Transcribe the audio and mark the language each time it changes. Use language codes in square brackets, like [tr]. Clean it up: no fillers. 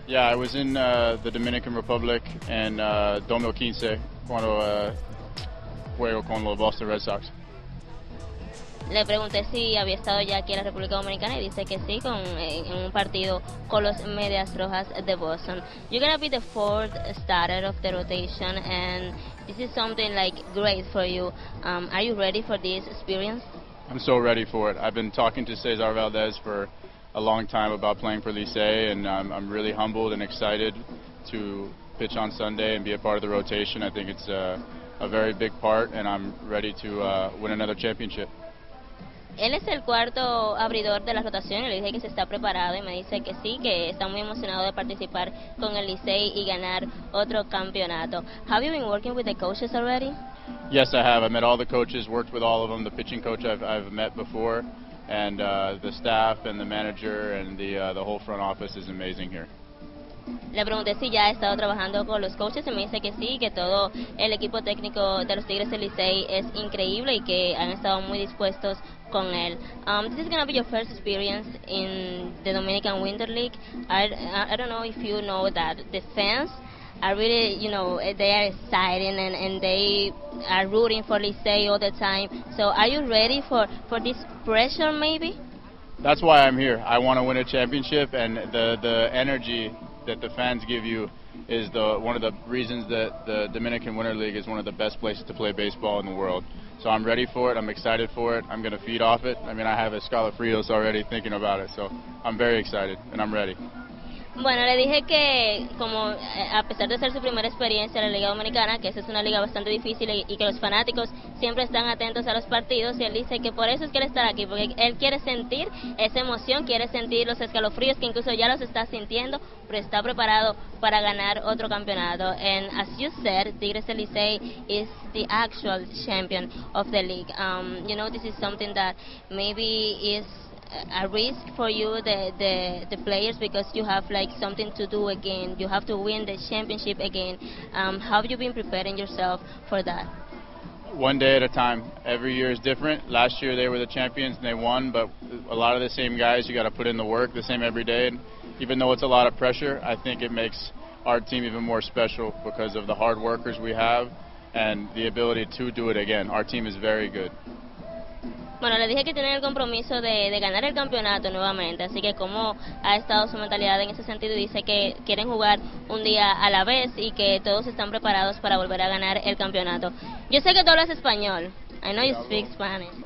[en] Yeah, I was in the Dominican Republic in 2015 [es] cuando juego con los Boston Red Sox. Le pregunté si había estado ya aquí en la República Dominicana y dice que sí, en un partido con los Medias Rojas de Boston. [en] You're gonna be the fourth starter of the rotation, and this is something like great for you. Are you ready for this experience? I'm so ready for it. I've been talking to Cesar Valdez for a long time about playing for Licey, and I'm really humbled and excited to pitch on Sunday and be a part of the rotation. I think it's a very big part, and I'm ready to win another championship. [es] Él es el cuarto abridor de la rotación, le dije que se está preparado y me dice que sí, que está muy emocionado de participar con el Licey y ganar otro campeonato. [en] Have you been working with the coaches already? Yes, I have. I met all the coaches, worked with all of them, the pitching coach I've met before, and the staff and the manager and the whole front office is amazing here. [es] Le pregunté si ya ha estado trabajando con los coaches y me dice que sí, que todo el equipo técnico de los Tigres del Licey es increíble y que han estado muy dispuestos con él. [en] This is going to be your first experience in the Dominican Winter League. I don't know if you know that the fans are really, you know, they are exciting and they are rooting for Licey all the time. So are you ready for this pressure maybe? That's why I'm here. I want to win a championship, and the energy that the fans give you is the one of the reasons that the Dominican Winter League is one of the best places to play baseball in the world. So I'm ready for it. I'm excited for it. I'm going to feed off it. I mean, I have Escala Frios already thinking about it. So I'm very excited and I'm ready. [es] Bueno, le dije que como a pesar de ser su primera experiencia en la Liga Dominicana, que esa es una liga bastante difícil y que los fanáticos siempre están atentos a los partidos, y él dice que por eso es que él está aquí, porque él quiere sentir esa emoción, quiere sentir los escalofríos, que incluso ya los está sintiendo, pero está preparado para ganar otro campeonato. [en] And as you said, Tigres del Licey is the actual champion of the league. You know, this is something that maybe is a risk for you, the players, because you have like something to do again. You have to win the championship again. How have you been preparing yourself for that? One day at a time. Every year is different. Last year they were the champions and they won, but a lot of the same guys, you got to put in the work the same every day. And even though it's a lot of pressure, I think it makes our team even more special because of the hard workers we have and the ability to do it again. Our team is very good. [es] Bueno, le dije que tiene el compromiso de ganar el campeonato nuevamente, así que cómo ha estado su mentalidad en ese sentido, dice que quieren jugar un día a la vez y que todos están preparados para volver a ganar el campeonato. Yo sé que tú hablas español. [en] I know you speak Spanish.